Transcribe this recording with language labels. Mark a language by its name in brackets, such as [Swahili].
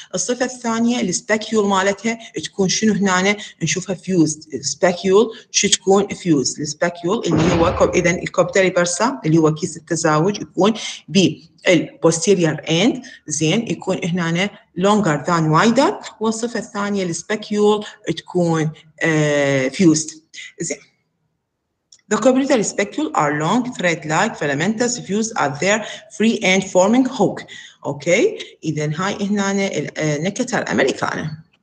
[Arabic] الصفة الثانية الspecule مالتها تكون شنو هنا نشوفها [English] fused specule [Arabic] شو تكون fused specule اللي هو إذن الكوبتري برسا اللي هو كيس التزاوج يكون بال [English] posterior end [Arabic] زين يكون هنا [English] longer than wider. [Arabic] والصفة الثانية الspecule تكون fused زين. [English] The cobritary speculum are long, thread-like filamentous fused at their free end forming hook. [Arabic] Okay, إذن هاي هنا النكتر الأمريكانة.